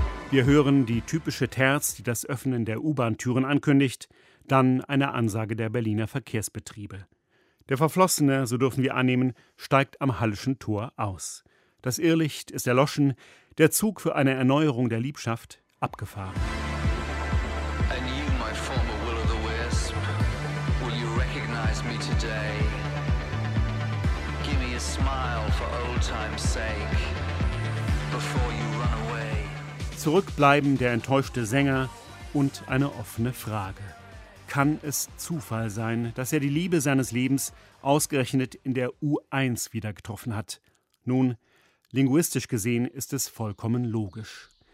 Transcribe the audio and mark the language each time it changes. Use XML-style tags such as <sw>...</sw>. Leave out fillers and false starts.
<de>Wir hören die typische Terz, die das Öffnen der U-Bahn-Türen ankündigt, dann eine Ansage der Berliner Verkehrsbetriebe. Der Verflossene, so dürfen wir annehmen, steigt am Hallischen Tor aus. Das Irrlicht ist erloschen, der Zug für eine Erneuerung der Liebschaft abgefahren.</de> <en>And you, my former Will-O-The-Wisp, will you recognize me today? Give me a smile for old time's sake, before you run away.</en> <de>Zurückbleiben der enttäuschte Sänger und eine offene Frage. Kann es Zufall sein, dass er die Liebe seines Lebens ausgerechnet in der U1 wieder getroffen hat? Nun, linguistisch gesehen ist es vollkommen logisch.</de>